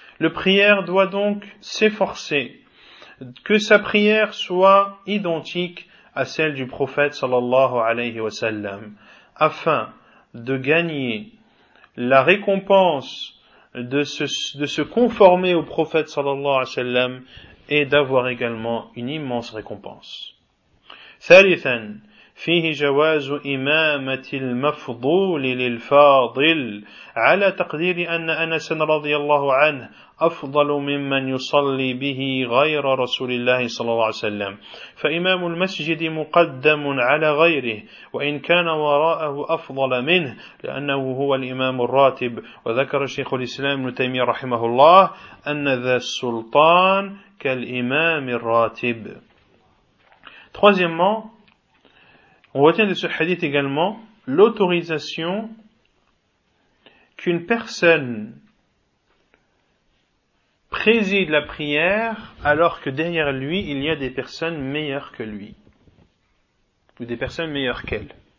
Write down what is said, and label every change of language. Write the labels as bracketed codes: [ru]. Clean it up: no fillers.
[fr] Le prieur doit donc s'efforcer que sa prière soit identique à celle du prophète sallallahu alayhi wa sallam afin de gagner la récompense de se conformer au prophète sallallahu alayhi wa sallam et d'avoir également une immense récompense. [ar] ثالثا فيه جواز إمامة المفضول للفاضل على تقدير أن أنس رضي الله عنه أفضل ممن يصلي به غير رسول الله صلى الله عليه وسلم فإمام المسجد مقدم على غيره وإن كان وراءه أفضل منه لأنه هو الإمام الراتب وذكر شيخ الإسلام ابن تيمية رحمه الله أن ذا السلطان كالإمام الراتب. [fr] Troisièmement, on retient de ce hadith également l'autorisation qu'une personne préside la prière alors que derrière lui, il y a des personnes meilleures que lui, ou des personnes meilleures qu'elle.